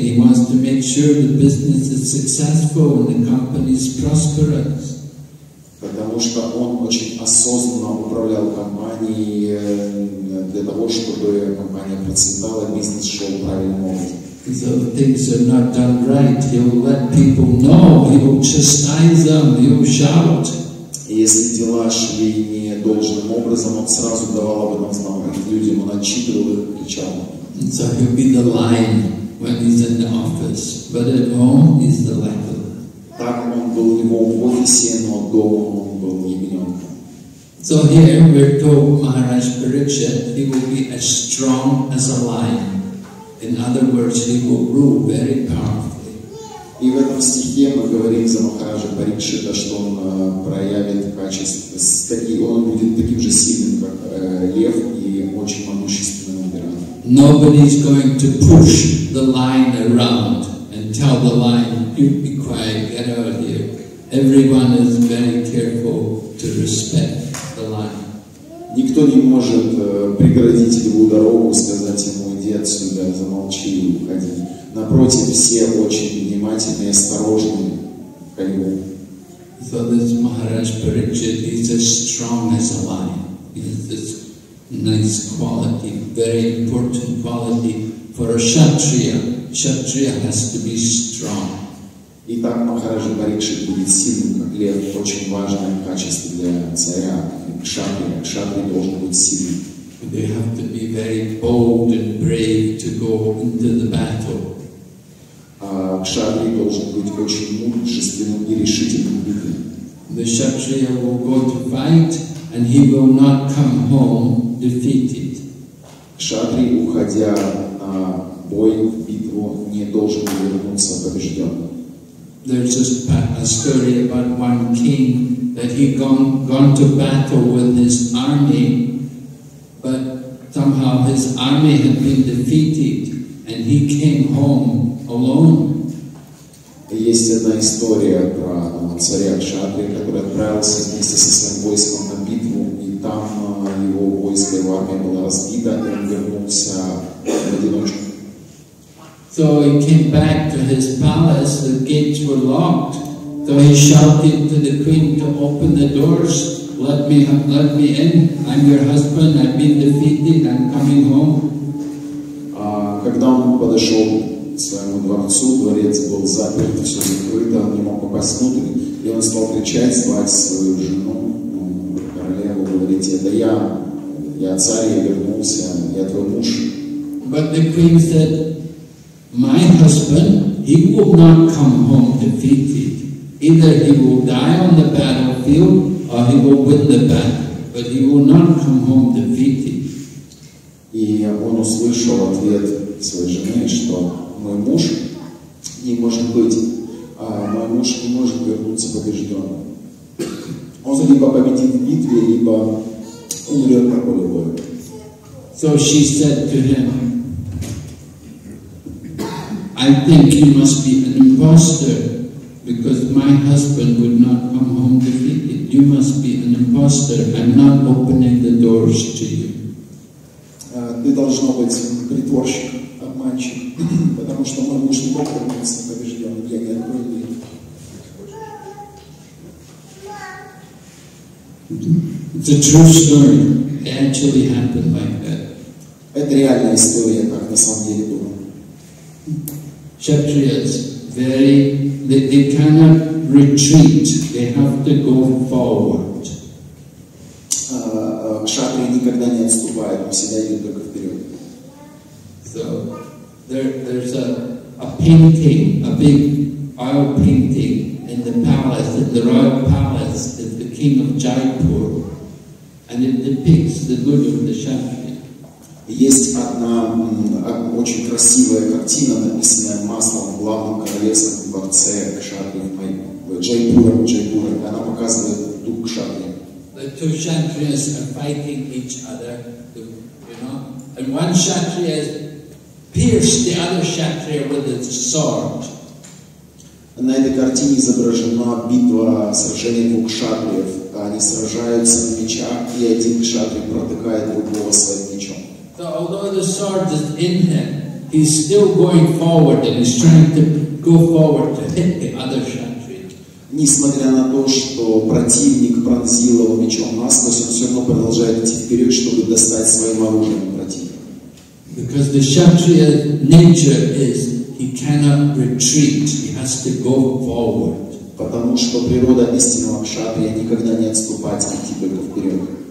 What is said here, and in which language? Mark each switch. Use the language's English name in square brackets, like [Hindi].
[English] He wants to make sure the business is successful and the company is prosperous. [Russian] Потому что он очень осознанно управлял компанией для того, чтобы компания процветала, бизнес шел правильным образом. [English] So if things are not done right, he'll let people know, he'll chastise them, he'll shout. [Russian] Если дела шли не должным образом, он сразу давал об этом знать людям, он отчитывал их, кричал. [English] And so he'll be the lion when he's in the office, but at home he's the leopard. [Russian] Так он был у него в офисе, но дома он был ягненком. [English] So here we're told Maharaj Parikshit, he will be as strong as a lion. In other words, he will rule very powerfully. [Russian] И в этом стихе мы говорим за Махараджа Парикшита, что он проявит качество, он будет таким же сильным, как лев, и очень могущественным императором. [English] Nobody is going to push the lion around and tell the lion, you be quiet, get out of here. Everyone is very careful to respect the lion. [Russian] Никто не может преградить льву дорогу, сказать ему, иди отсюда, замолчи и уходи. Напротив, все очень внимательны и осторожны к льву. [English] So this Maharaj Parikshit is as strong as a lion. He's nice quality, very important quality for a kshatriya. Kshatriya has to be strong. [Russian] Итак, Махараджа Парикшит будет сильным, как лев, очень важное качество для царя, кшатрия. Кшатрия должен быть сильным. [English] They have to be very bold and brave to go into the battle. [Russian] Кшатрия должен быть очень мужественным и решительным битвом. [English] The kshatriya will go to fight, and he will not come home defeated. [Russian] Кшатрий, уходя на бой, в битву, не должен вернуться побежденным. [English] There's just a story about one king that he gone to battle with his army, but somehow his army had been defeated, and he came home alone. [Russian] Есть одна история про царя Кшатрия, который отправился вместе со своим войском на битву, и там его войско, его армия была разбита, и он вернулся в одиночку. [English] So he came back to his palace, the gates were locked. So he shouted to the queen to open the doors, let me in, I'm your husband, I've been defeated, I'm coming home. [Russian] Когда он подошел к своему дворцу, дворец был заперт, все закрыто, он не мог попасть внутрь, и он стал кричать, звать свою жену, королеву, говорить, это я царь, я вернулся, я твой муж. [English] But the queen said, my husband, he will not come home defeated. Either he will die on the battlefield, or he will win the battle, but he will not come home defeated. [Russian] И он услышал ответ своей жены, что мой муж не может вернуться побежденным. Он либо победит в битве, либо умрет на поле боя. [English] So she said to him, I think you must be an imposter, because my husband would not come home defeated. You must be an imposter. I'm not opening the doors to you. [Russian] Ты должно быть притворщик, обманщик, потому что мой муж не мог вернуться побежден. Я не открою дверь. [English] It's a true story. It actually happened like that. [Russian] Это реальная история, как на самом деле было. [English] Kshatriyas, they cannot retreat. They have to go forward. [Russian] Кшатрии никогда не отступают, они всегда идут только вперед. [English] So there's a painting, a big oil painting in the palace, in the royal palace, in the king of Jaipur, and it depicts the guru of the Kshatriya. [Russian] Есть одна очень красивая картина, написанная маслом в главном королевском дворце Кшатрии, Джайпура. Она показывает дух Кшатрии. [English] The two Kshatriyas are fighting each other, you know. And one Kshatriya has pierced the other Kshatriya with its sword. [Russian] На этой картине изображена битва, сражение двух Кшатриев. Они сражаются на мечах, и один Кшатрий протыкает другого своим мечом. [English] So although the sword is in him, he's still going forward and he's trying to go forward to hit the other Kshatriya. [Russian] Несмотря на то, что противник пронзил его мечом насквозь, он все равно продолжает идти вперед, чтобы достать своим оружием противника. [English] The Kshatriya nature is, he cannot retreat, he has to go forward. [Russian] Потому что природа истинного кшатрия никогда не отступает, идти только вперед.